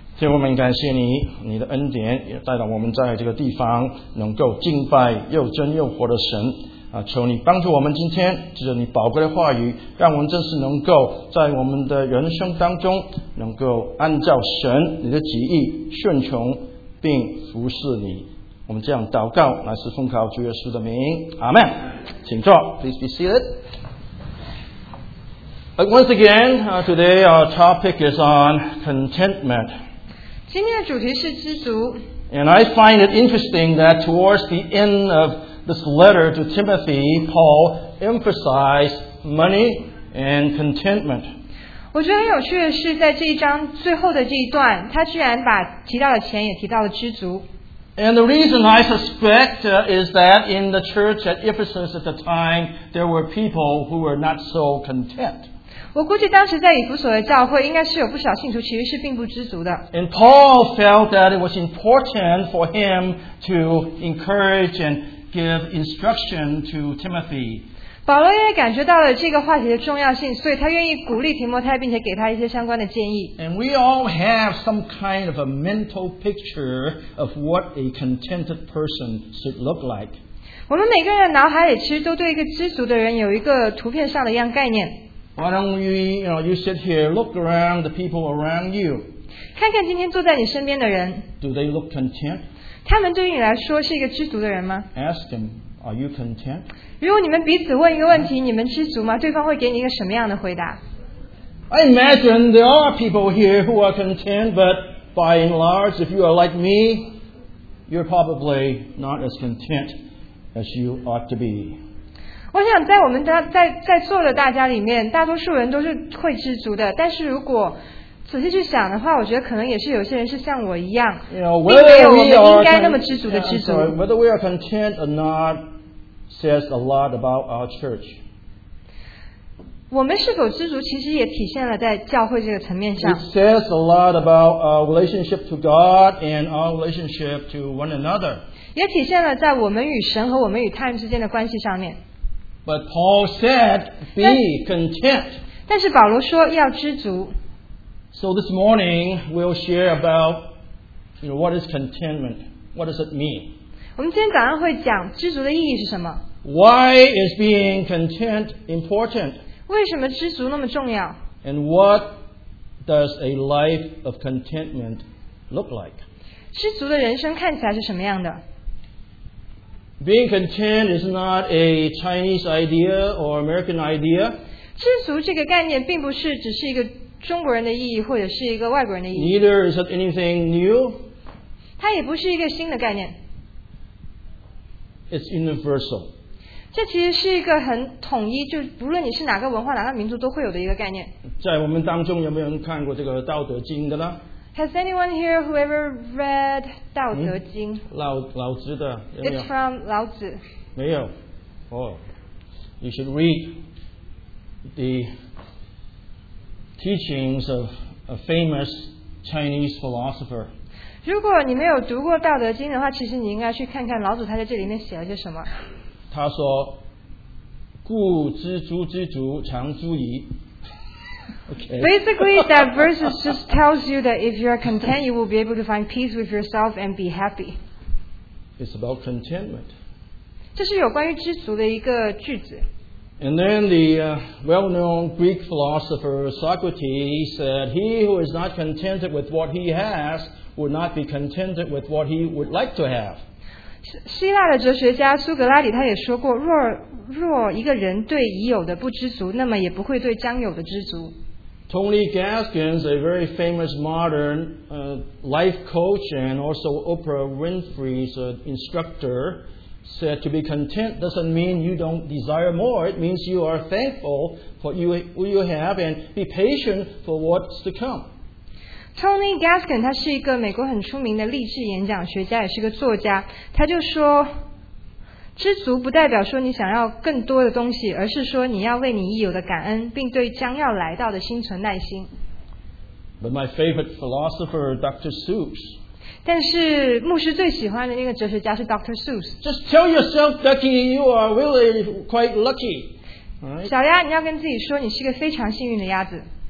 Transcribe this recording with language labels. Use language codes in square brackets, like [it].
[zh] 天父，我们感谢你，你的恩典也带到我们在这个地方能够敬拜又真又活的神啊，求你帮助我们今天借着你宝贵的话语，让我们真是能够在我们的人生当中能够按照神你的旨意顺从并服侍你。我们这样祷告乃是奉靠主耶稣的名，阿们。请坐。 [en] Please be seated. Once again, today our topic is on contentment. [zh] 今天的主题是知足。 [en] And I find it interesting that towards the end of this letter to Timothy, Paul emphasized money and contentment. [zh] 我觉得很有趣的是在这一章最后的这一段，他居然把提到的钱也提到了知足。 [en] And the reason I suspect is that in the church at Ephesus at the time, there were people who were not so content. [zh] 我估计当时在以弗所的教会应该是有不少信徒其实是并不知足的。 [en] And Paul felt that it was important for him to encourage and give instruction to Timothy. [zh] 保罗也感觉到了这个话题的重要性，所以他愿意鼓励提摩太，并且给他一些相关的建议。 [en] And we all have some kind of a mental picture of what a contented person should look like. [zh] 我们每个人的脑海里其实都对一个知足的人有一个图片上的一样概念。 [en] Why don't we, you sit here, look around the people around you. [zh] 看看今天坐在你身边的人。 [en] Do they look content? [zh] 他们对于你来说是一个知足的人吗？ [en] Ask him, are you content? [zh] 如果你们彼此问一个问题，你们知足吗？对方会给你一个什么样的回答？ [en] I imagine there are people here who are content, but by and large, if you are like me, you're probably not as content as you ought to be. [zh] 我想在我们在座的大家里面，大多数人都是会知足的，但是如果仔细去想的话，我觉得可能也是有些人是像我一样，并没有我们应该那么知足的知足。 [en] Whether we are content or not says a lot about our church. [zh] 我们是否知足，其实也体现了在教会这个层面上。 [en] It says a lot about our relationship to God and our relationship to one another. [zh] 也体现了在我们与神和我们与他人之间的关系上面。 [en] But Paul said, be content. [zh] 但是保罗说要知足。 [en] So this morning, we'll share about, what is contentment? What does it mean? [zh] 我们今天早上会讲知足的意义是什么？ [en] Why is being content important? [zh] 为什么知足那么重要？ [en] And what does a life of contentment look like? [zh] 知足的人生看起来是什么样的？ [en] Being content is not a Chinese idea or American idea. [zh] 知足这个概念并不是只是一个中国人的意义或者是一个外国人的意义。 [en] Neither is it anything new. [zh] 它也不是一个新的概念。 [en] It's universal. [zh] 这其实是一个很统一，就不论你是哪个文化哪个民族都会有的一个概念。在我们当中有没有人看过这个《道德经》的呢？ [en] Has anyone here who ever read 道德经？ [zh] 老子的有没有？ [en] It's from 老子。 [zh] 没有。 [en] You should read the teachings of a famous Chinese philosopher. [zh] 如果你没有读过《道德经》的话，其实你应该去看看老子他在这里面写了些什么。他说：“故知足之足，常足矣。” [en] Okay. Basically, that verse just tells you that if you are content, you will be able to find peace with yourself and be happy. It's about contentment. [zh] 这是有关于知足的一个句子。 [en] And then the well-known Greek philosopher Socrates said, he who is not contented with what he has would not be contented with what he would like to have. [zh] 希腊的哲学家苏格拉底他也说过，若一个人对已有的不知足，那么也不会对将有的知足。 [en] Tony Gaskins, a very famous modern life coach and also Oprah Winfrey's instructor, said to be content doesn't mean you don't desire more. It means you are thankful for what you have and be patient for what's to come. [zh] Tony Gaskin 他是一个美国很出名的励志演讲学家，也是个作家。他就说，知足不代表说你想要更多的东西，而是说你要为你已有的感恩，并对将要来到的心存耐心。 [en] But my favorite philosopher, Dr. Seuss. [zh] 但是牧师最喜欢的那个哲学家是 Dr. [en] Seuss. Just tell yourself, Ducky, you are really quite lucky.、Right? [zh] 小鸭，你要跟自己说，你是个非常幸运的鸭子。